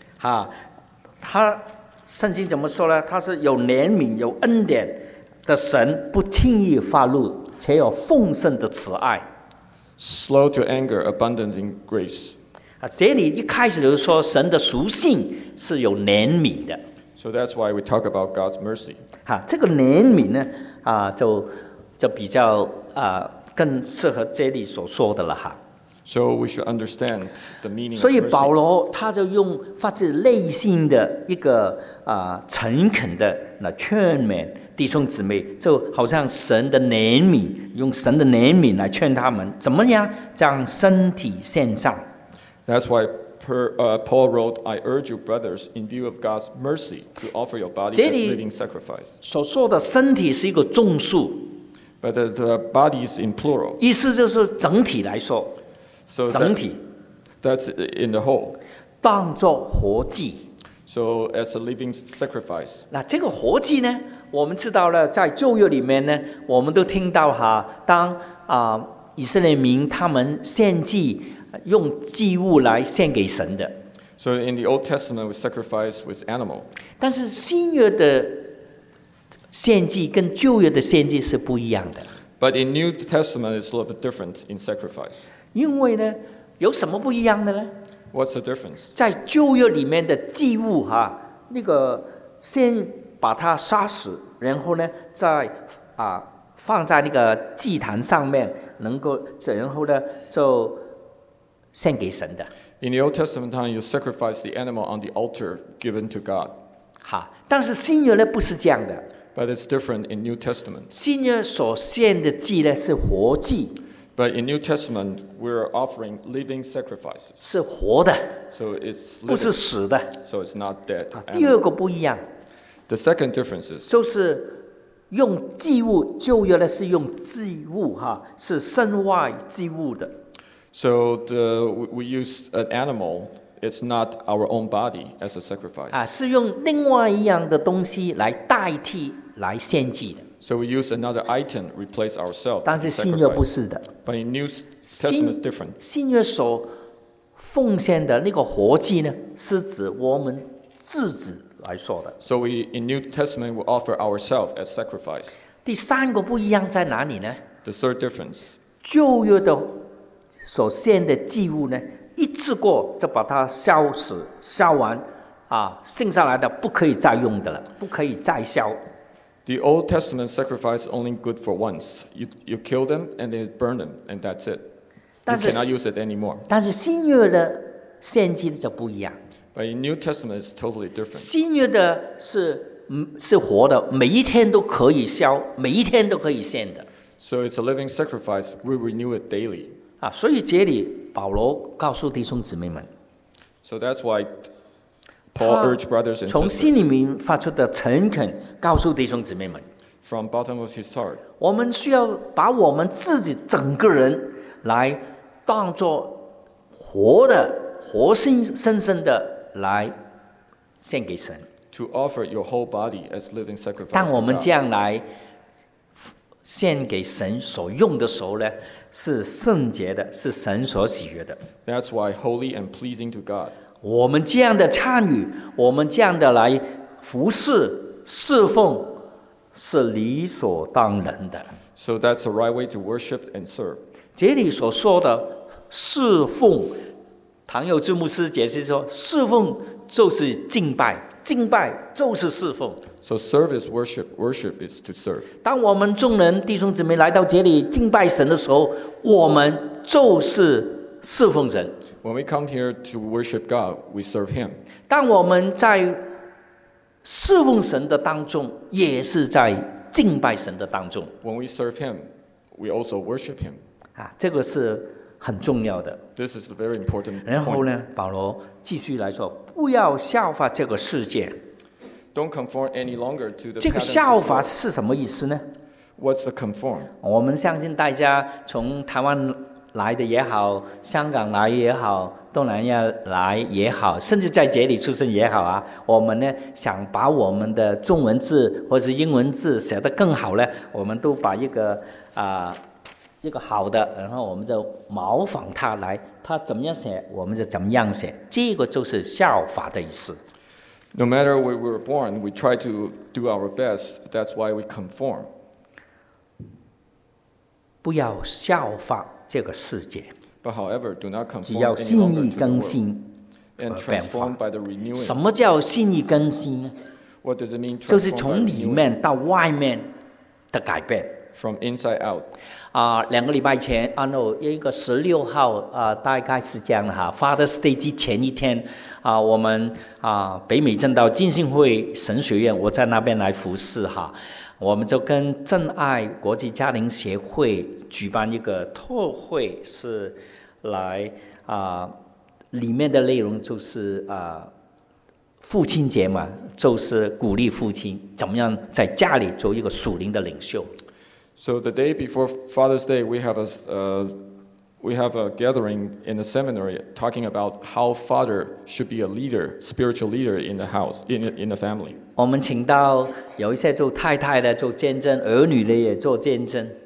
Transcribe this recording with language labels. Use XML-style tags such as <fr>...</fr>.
<zh>哈，他。圣经怎么说呢？他是有怜悯、有恩典的神，不轻易发怒，且有丰盛的慈爱。</zh> <en>Slow to anger, abundant in grace.</en> <zh>这里一开始就是说神的属性是有怜悯的。</zh> <en>So that's why we talk about God's mercy.</en> <zh>这个怜悯呢，就比较更适合这里所说的了哈。</zh> <en>So we should understand the meaning of mercy.</en> <zh>所以保罗他就用发自内心的一个诚恳的那劝勉弟兄姊妹，就好像神的怜悯，用神的怜悯来劝他们怎么样将身体献上。</zh> <en>That's why Paul wrote, I urge you, brothers, in view of God's mercy, to offer your body as living sacrifice.</en> <zh>所说的身体是一个众数。</zh> <en>But the body is in plural.</en> <zh>意思就是整体来说。</zh> <en>So、</en> <zh>整体。</zh> <en>That's in the whole.</en> <zh>当作活祭。</zh> <en>So as a living sacrifice.</en> <zh>那这个活祭呢，我们知道了，在旧约里面呢，我们都听到哈，当、以色列民他们献祭，用祭物来献给神的。</zh> <en>So in the Old Testament, we sacrifice with animal.</en> <zh>但是新约的献祭跟旧约的献祭是不一样的。</zh> <en>But in New Testament, it's a little bit different in sacrifice.</en> <zh>因为呢，有什么不一样的呢？</zh> <en>What's the difference?</en> <zh>在旧约里面的祭物哈，那个先把它杀死，然后呢，再啊放在那个祭坛上面，能够然后呢就献给神的。</zh> <en>In the Old Testament time, you sacrifice the animal on the altar given to God.</en> <zh>好，但是新约呢不是这样的。</zh> <en>But it's different in New Testament.</en> <zh>新约所献的祭呢是活祭。</zh> <en>But in New Testament, we're offering living sacrifices.</en> <zh>是活的。</zh> <en>So it's living.</en> <zh>不是死的。</zh> <en>So it's not dead.</en> <zh>第二个不一样。</zh> <en>The second difference is.</en> <zh>就是用祭物，旧约呢是用祭物哈，是身外祭物的。</zh> <en>So we use an animal. It's not our own body as a sacrifice.</en> <zh>啊，是用另外一样的东西来代替来献祭的。</zh> <en>So we use another item to replace ourselves.</en> <zh>但是新约不是的。</zh> <en>But in New Testament, it's different.</en> <zh>新约所奉献的那个活祭呢，是指我们自己来说的。</zh> <en>So we in New Testament we offer ourselves as sacrifice.</en> <zh>第三个不一样在哪里呢？</zh> <en>The third difference.</en> <zh>旧约的所献的祭物呢，一次过就把它烧死烧完啊，剩下来的不可以再用的了，不可以再烧。</zh> <en>The Old Testament sacrifice only good for once. You kill them and they burn them and that's it. You cannot use it anymore.</en> <zh>但是新约的献祭就不一样。</zh> <en>But in New Testament is totally different.</en> <zh>新约的是活的，每一天都可以烧，每一天都可以献的。</zh> <en>So it's a living sacrifice. We renew it daily.</en> <zh>啊，所以这里保罗告诉弟兄姊妹们。</zh> <en>So that's why Paul urged brothers and sisters.</en> <zh>从心里面发出的诚恳告诉弟兄姊妹们。</zh> <en>From bottom of his heart.</en> <zh>我们需要把我们自己整个人来当作活的。活生生的来献给神。</zh> <en>To offer your whole body as living sacrifice.</en> <zh>当我们这样来献给神所用的时候呢，是圣洁的，是神所喜悦的。</zh> <en>That's why holy and pleasing to God.</en> <zh>我们这样的参与，我们这样的来服侍侍奉，是理所当然的。</zh> <en>So that's the right way to worship and serve.</en> <zh>这里所说的侍奉。唐佑智牧师解释说，侍奉就是敬拜，敬拜就是侍奉。</zh> <en>So service worship, worship is to serve.</en> <zh>当我们众人弟兄姊妹来到这里敬拜神的时候，我们就是侍奉神。</zh> <en>When we come here to worship God, we serve Him.</en> <zh>当我们在侍奉神的当中，也是在敬拜神的当中。</zh> <en>When we serve Him, we also worship Him.</en> <zh>啊，这个是很重要的。</zh> <en>This is the very important point.</en> <zh>然后呢，保罗继续来说，不要效法这个世界。</zh> <en>Don't conform any longer to the.</en> <zh>这个效法是什么意思呢</zh> <en>？What's the conform？</en> <zh>我们相信大家从台湾来的也好，香港来也好，东南亚来也好，甚至在这里出生也好啊，我们呢想把我们的中文字或者是英文字写得更好呢，我们都把一个啊。一个好的，然后我们就模仿他来，他怎么样写，我们就怎么样写，这个就是效法的意思。</zh> <en>No matter where we were born, we try to do our best. That's why we conform.</en> <zh>不要效法这个世界。</zh> <en>But however, do not conform.</en> <zh>只要心意更新。</zh> <en>And transformed by the renewing.</en> <zh>什么叫心意更新呢</zh> <en>？What does it mean?</en> <zh>就是从里面到外面的改变。</zh> <en>From inside out.</en> <zh>啊，两个礼拜前啊 ，no， 一个十六号啊，大概是这样的哈。 Father's Day 之前一天啊，我们啊，北美正道浸信会神学院，我在那边来服侍哈。我们就跟正爱国际家庭协会举办一个特会，是来啊里面的内容就是父亲节嘛，就是鼓励父亲怎么样在家里做一个属灵的领袖。</zh> <en>So the day before Father's Day, we have a gathering in the seminary talking about how father should be a leader, spiritual leader in the house, in the family.</en> <zh>我们请到有一些做太太的做见证，儿女的也做见证。</zh>